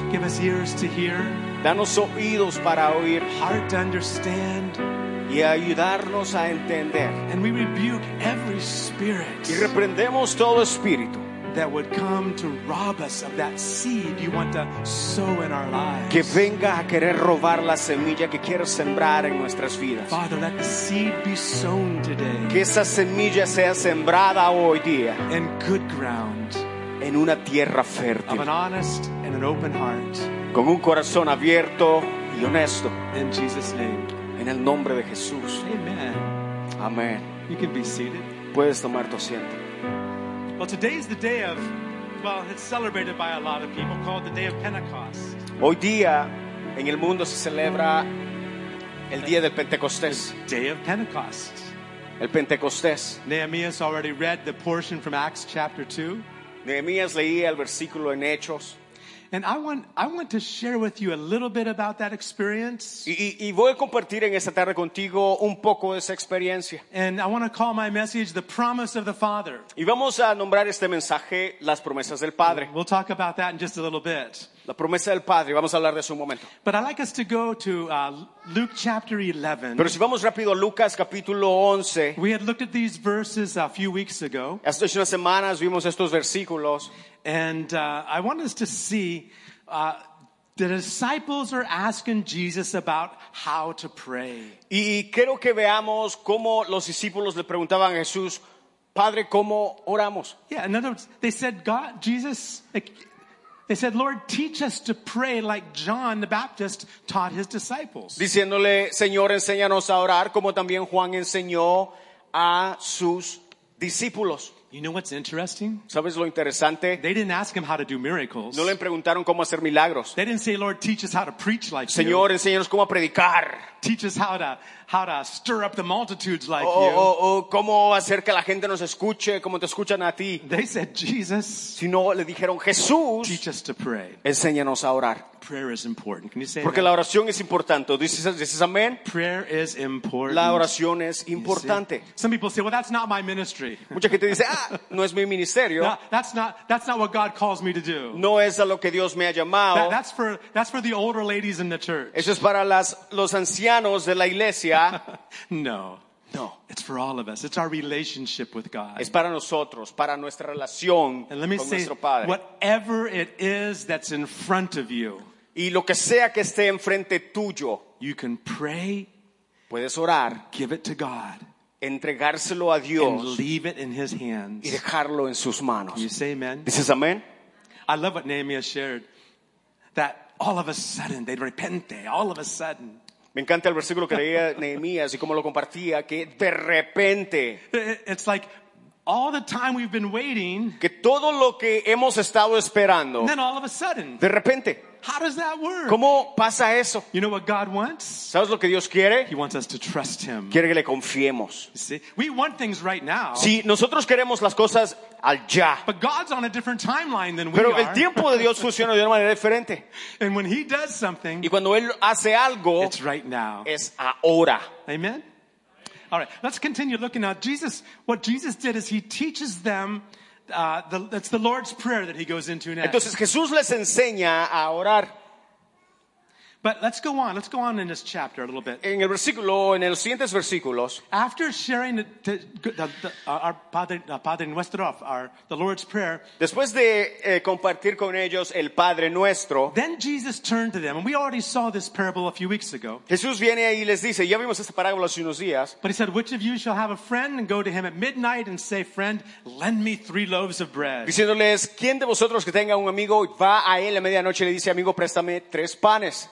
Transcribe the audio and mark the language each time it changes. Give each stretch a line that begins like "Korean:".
English: Give us ears to hear.
Spanish: Danos oídos para oír.
English: Heart to understand.
Spanish: Y ayudarnos a entender.
English: And we rebuke every spirit.
Spanish: Y reprendemos todo espíritu.
English: That would come to rob us of that seed you want to sow in our lives.
Spanish: Que venga a querer robar la semilla que quieres sembrar en nuestras vidas.
English: Father, let the seed be sown today.
Spanish: Que esa semilla sea sembrada hoy día.
English: In good ground.
Spanish: En una tierra fértil.
English: Of an honest and an open heart.
Spanish: Con un corazón abierto y honesto.
English: In Jesus' name.
Spanish: En el nombre de Jesús.
English: Amen.
Spanish: Amen.
English: You can be seated.
Spanish: Puedes tomar tu asiento.
English: Well, today is the day of, well, it's celebrated by a lot of people, called the Day of Pentecost.
Spanish: Hoy día, en el mundo se celebra el Día del Pentecostés.
English: The Day of Pentecost.
Spanish: El Pentecostés.
English: Nehemiah's already read the portion from Acts chapter 2.
Spanish: Nehemiah leía el versículo en Hechos.
English: And I want to share with you a little bit about that experience.
Spanish: Y voy a compartir en esta tarde contigo un poco de esa experiencia.
English: And I want to call my message the promise of the Father.
Spanish: Y vamos a nombrar este mensaje las promesas del Padre.
English: We'll talk about that in just a little bit.
Spanish: La promesa del Padre, vamos a hablar de eso un momento.
English: But I'd like us to go to Luke chapter 11.
Spanish: Pero si vamos rápido a Lucas capítulo 11.
English: We had looked at these verses a few weeks ago.
Spanish: Hace unas semanas vimos estos versículos.
English: And I want us to see the disciples are asking Jesus about how to pray.
Spanish: Y quiero que veamos cómo los discípulos le preguntaban a Jesús, Padre, ¿cómo oramos?
English: Yeah, in other words, they said, Lord, teach us to pray like John the Baptist taught his disciples.
Spanish: Diciéndole, Señor, enséñanos a orar como también Juan enseñó a sus discípulos.
English: You know what's interesting?
Spanish: ¿Sabes lo interesante?
English: They didn't ask him how to do miracles.
Spanish: No le preguntaron cómo hacer milagros.
English: They didn't say, Lord, teach us how to preach like
Spanish: Señor,
English: you.
Spanish: Señor, enséñanos cómo predicar.
English: Teach us how to stir up the multitudes like you.
Spanish: ¿Cómo hacer que la gente nos escuche como te escuchan a ti?
English: They said, Jesus.
Spanish: Si no, le dijeron, Jesús.
English: Teach us to pray.
Spanish: Enséñanos a orar.
English: Prayer is important. Can you say
Spanish: Porque
English: that?
Spanish: La oración es importante. ¿Dices amén?
English: Prayer is important.
Spanish: La oración es importante.
English: Some people say, well, that's not my ministry.
Spanish: Mucha gente dice, no es mi ministerio.
English: That's not what God calls me to do.
Spanish: No es a lo que Dios me ha llamado.
English: That's for the older ladies in the church.
Spanish: Eso es para los ancianos de la iglesia.
English: No. It's for all of us. It's our relationship with God.
Spanish: Es para nosotros, para nuestra relación con nuestro Padre.
English: And let me say, whatever it is that's in front of you,
Spanish: y lo que sea que esté enfrente tuyo,
English: you can pray,
Spanish: puedes orar,
English: give it to God,
Spanish: entregárselo a Dios,
English: and leave it in his hands,
Spanish: y dejarlo en sus manos.
English: Can you say amen?
Spanish: ¿Dices amén?
English: I love what Nehemiah shared, that all of a sudden,
Spanish: de repente,
English: all of a sudden,
Spanish: me encanta el versículo que leía Nehemías y cómo lo compartía, que de repente.
English: It's like all the time we've been waiting.
Spanish: Que todo lo que hemos estado esperando.
English: Then all of a sudden.
Spanish: De repente.
English: How does that work?
Spanish: ¿Cómo pasa eso?
English: You know what God wants?
Spanish: ¿Sabes lo que Dios quiere?
English: He wants us to trust him.
Spanish: Quiere que le confiemos.
English: See? We want things right now.
Spanish: Sí, nosotros queremos las cosas al ya.
English: But God's on a different timeline than we
Spanish: Pero
English: are.
Spanish: Pero el tiempo de Dios funciona de una manera diferente.
English: And when he does something,
Spanish: y cuando él hace algo,
English: it's right now.
Spanish: Es ahora.
English: Amen? All right, let's continue looking now. What Jesus did is he teaches them that's the Lord's prayer that he goes into next.
Spanish: Entonces Jesús les enseña a orar.
English: But let's go on. Let's go on in this chapter a little bit.
Spanish: En el versículo, en los siguientes versículos.
English: After sharing the Lord's Prayer.
Spanish: Después de compartir con ellos el Padre Nuestro.
English: Then Jesus turned to them, and we already saw this parable a few weeks ago.
Spanish: Jesús viene y les dice, ya vimos esta parábola hace unos días.
English: But he said, which of you shall have a friend and go to him at midnight and say, friend, lend me 3 loaves of bread.
Spanish: Diciéndoles, ¿quién de vosotros que tenga un amigo va a él a medianoche y le dice, amigo, préstame 3 panes?